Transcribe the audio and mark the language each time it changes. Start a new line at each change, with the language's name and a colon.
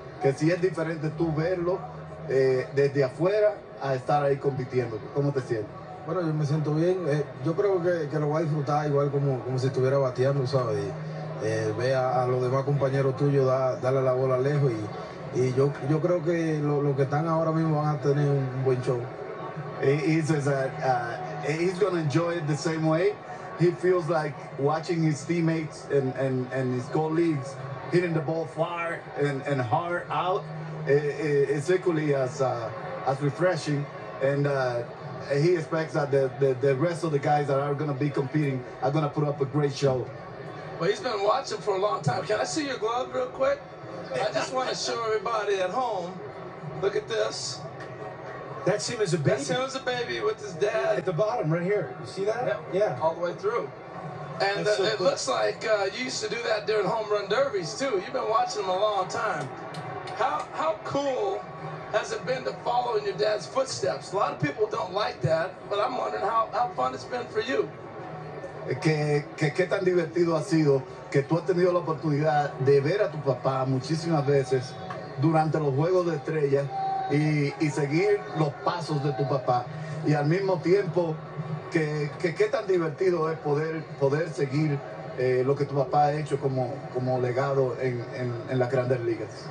Spanish: Que si es diferente tú verlo desde afuera a estar ahí compitiendo. ¿Cómo te sientes? Bueno, yo me siento bien. Yo creo que lo voy a disfrutar igual como si estuviera bateando, ¿sabes? Y ve a los demás compañeros tuyos, darle la bola lejos. Y yo creo que lo que están ahora mismo van a tener un buen show.
English: He says that he's gonna enjoy it the same way. He feels like watching his teammates and his colleagues hitting the ball far and hard out. It's equally as refreshing, and he expects that the rest of the guys that are gonna be competing are gonna put up a great show. Well, he's been watching for a long time. Can I see your glove real quick? I just want to show everybody at home. Look at this. That's him as a baby. That's him as a baby with his dad. At the bottom, right here. You see that? Yep. Yeah. All the way through. And it looks like you used to do that during home run derbies, too. You've been watching them a long time. How cool has it been to follow in your dad's footsteps? A lot of people don't like that, but I'm wondering how fun it's been for you.
Spanish: ¿Qué tan divertido ha sido que tú has tenido la oportunidad de ver a tu papá muchísimas veces durante los Juegos de Estrellas y seguir los pasos de tu papá? Y al mismo tiempo, ¿qué tan divertido es poder seguir lo que tu papá ha hecho como legado en las Grandes Ligas?